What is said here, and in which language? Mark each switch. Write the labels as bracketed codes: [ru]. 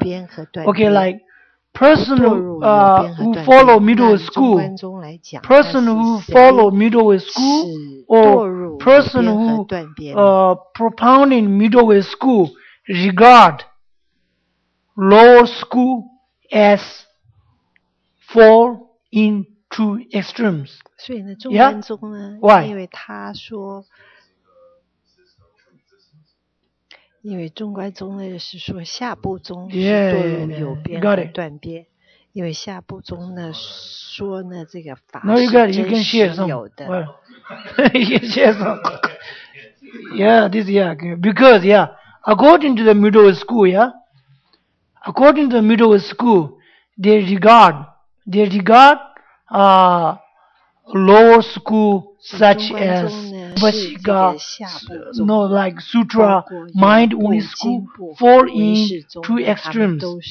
[en] Okay, like person who follow middle school, person who follow middle school, or person who propounding middle school regard lower school as fall in two extremes. [zh] 所以呢，中观宗呢， [en] Why? [zh] 因为他说，因为中观宗呢是说下部宗是堕入有边和断边， yeah, yeah, yeah. 因为下部宗呢说呢这个法是真实有的。 [en] No, you can share some. Yeah, this yeah, because yeah, according to the middle school, yeah. According to the middle school, they regard lower school such as Vashika, no, like Sutra, mind only school, fall in two extremes.